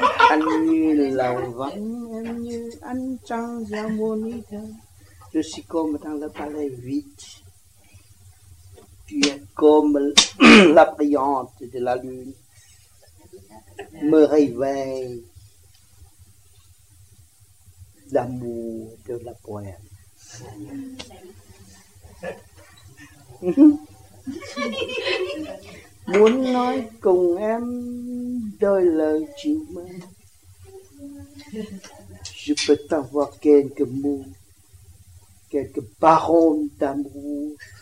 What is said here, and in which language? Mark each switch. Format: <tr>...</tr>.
<vi>Anh như lầu vắng, em như ánh trăng giao mùa ni thơ.</vi> <fr>Je suis comme dans le palais vide. Tu es comme la brillante de la lune. Me réveille l'amour de la poème.</fr> <vi>Muốn nói cùng em đôi lời chịu mến.</vi> <fr>Je peux t'avoir quelques mots, quelques paroles d'amour.</fr>